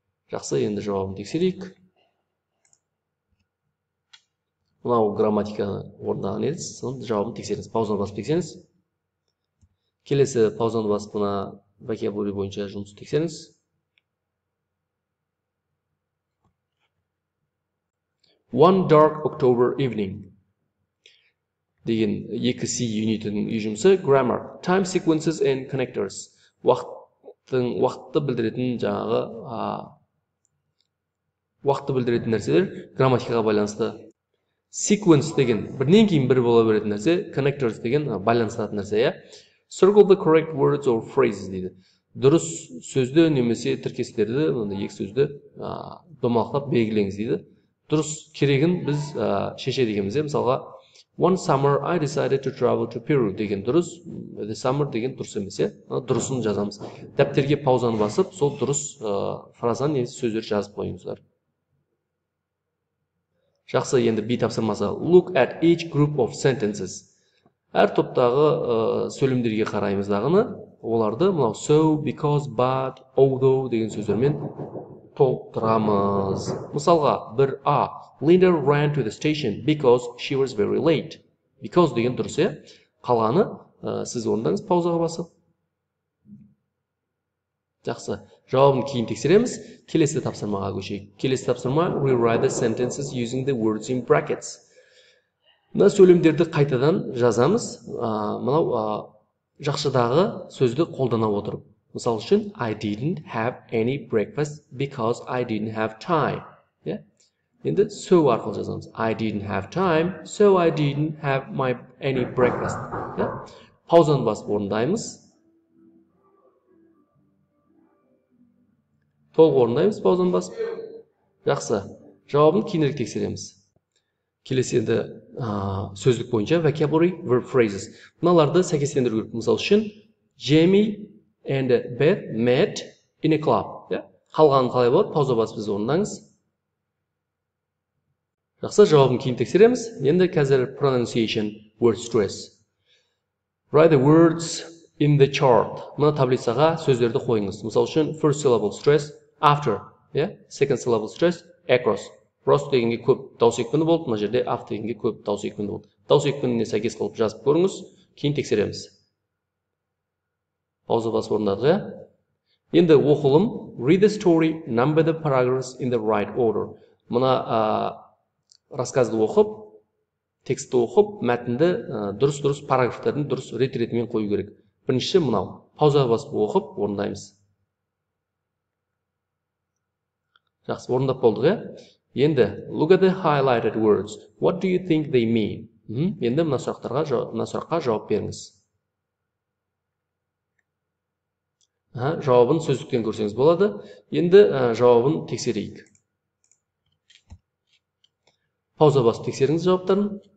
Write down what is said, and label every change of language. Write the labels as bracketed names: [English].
[Kazakh] Жақсы, енді жауабын тексерейік. Мынау грамматиканы орындаған едіңіз, сонда жауабын тексеріңіз. Паузаны басып тексеріңіз. Келесі паузаны басып мына vocabulary бойынша жұмыс тексеріңіз. [English] One dark October evening. [Kazakh] Деген 2C unit-ның үй жұмысы [English] grammar, time sequences and connectors. [Kazakh] Уақыт уақытты білдіретін жаңағы уақытты білдіретін нәрселер грамматикаға байланысты. Sequence деген бірінен кейін бірі бола беретін нәрсе, connectors деген байланыстыратын нәрсе, иә. [English] Circle the correct words or phrases [Kazakh] дейді. Дұрыс сөзді немесе тіркестерді, мына екі сөзді домалақтап белгілеңіз дейді. Дұрыс керегін біз шеше дегенбіз, иә. Мысалға [English] one summer I decided to travel to Peru [Kazakh] деген дұрыс, [English] the summer [Kazakh] деген дұрыс емес, иә. Дұрысын жазамыз. Дәптерге паузаны басып, сол дұрыс фразаны немесе сөздерді жазып қойыңыздар. Жақсы, енді B тапсырмасы. [English] Look at each group of sentences. [Kazakh] Әр топтағы сөйлемдерге қараймыз дағыны. Оларды мынау so, because, but, although деген сөздермен толықтырамыз. Мысалға, бір A. [English] Linda ran to the station because she was very late. [Kazakh] Because деген дұрыс, иә. Қалғаны сіз орындаңыз паузаға басып. Жақсы. Жауабын кейін тексереміз. Келесі тапсырмаға көшейік. Келесі тапсырма [English] rewrite the sentences using the words in brackets. [Kazakh] Мына сөйлемдерді қайтадан жазамыз. Мынау жақшыдағы сөзді қолдана отырып. Мысал үшін [English] I didn't have any breakfast because I didn't have time. Yeah? [Kazakh] Енді so арқылы жазамыз. [English] I didn't have time, so I didn't have my any breakfast. Yeah? [Kazakh] Паузаны басып орындаймыз. Толық орындаймыз паузаны басып. Жақсы. Жауабын кейінірек тексереміз. Келесі енді сөздік бойынша [English] vocabulary verb phrases. [Kazakh] Мыналарды сәйкестендіру керек. Мысал үшін [English] Jamie and Beth met in a club. [Kazakh] Қалғаны қалай болады? Пауза басып біз орындаңыз. Жақсы. Жауабын кейін тексереміз. Енді қазір [English] pronunciation word stress. Write the words in the chart. [Kazakh] Мына таблицаға сөздерді қойыңыз. Мысал үшін [English] first syllable stress. After, yeah? Second syllable stress, across. [Kazakh] Rost дегенге көп дауыс екпіні болды, мына жерде after дегенге көп дауыс екпіні болды. Дауыс екпініне сәйкес қылып жазып көріңіз, кейін тексереміз. Пауза басып орындадық, иә? Енді оқылым, [English] read the story, number the paragraphs in the right order. [Kazakh] Мына рассказды оқып, текстті оқып, мәтінді дұрыс-дұрыс параграфтардың дұрыс рет-ретімен қою керек. Бірінші мынау, пауза басып оқып орындаймыз. Жақсы, орындап болдық, иә? Енді [English] look at the highlighted words. What do you think they mean? [Kazakh] Енді мына сұраққа жауап беріңіз. Жауабын сөздіктен көрсеңіз болады. Енді жауабын тексерейік. Пауза басып тексеріңіз жауаптарын.